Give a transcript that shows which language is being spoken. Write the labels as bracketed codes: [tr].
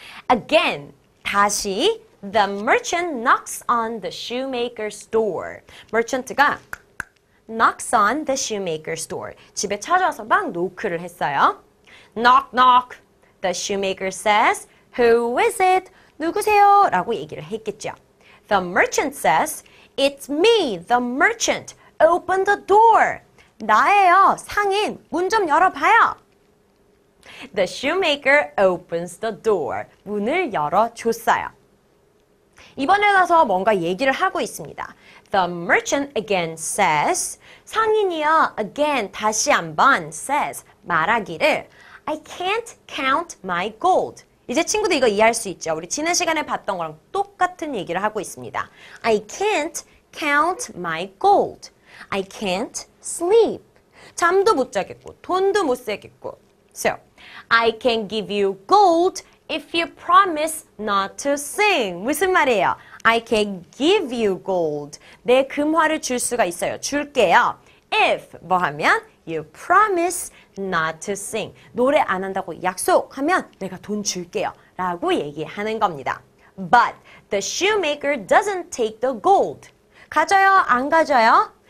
[en] Again, [ko] 다시 [en] the merchant knocks on the shoemaker's door. merchant가 knocks on the shoemaker's door. [ko] 집에 찾아와서 막 노크를 했어요. [en] Knock, knock. The shoemaker says, Who is it? [ko] 누구세요? 라고 얘기를 했겠죠. [en] The merchant says, It's me, the merchant. Open the door. [ko] 나예요, 상인. 문 좀 열어봐요. [en] The shoemaker opens the door. [ko] 문을 열어줬어요. 이번에 와서 뭔가 얘기를 하고 있습니다. [en] The merchant again says, [ko] 상인이요, [en] again, [ko] 다시 한번 [en] says, [ko] 말하기를, [en] I can't count my gold. [ko] 이제 친구들 이거 이해할 수 있죠? 우리 지난 시간에 봤던 거랑 똑같은 얘기를 하고 있습니다. [en] I can't count my gold. I can't sleep. [ko] 잠도 못 자겠고, 돈도 못 쓰겠고. [en] So, I can give you gold if you promise not to sing. [ko] 무슨 말이에요? [en] I can give you gold. [ko] 내 금화를 줄 수가 있어요. 줄게요. [en] If, [ko] 뭐 하면? [en] You promise not to sing. [ko] 노래 안 한다고 약속하면 내가 돈 줄게요. 라고 얘기하는 겁니다. [en] But the shoemaker doesn't take the gold. [ko] 가져요? 안 가져요?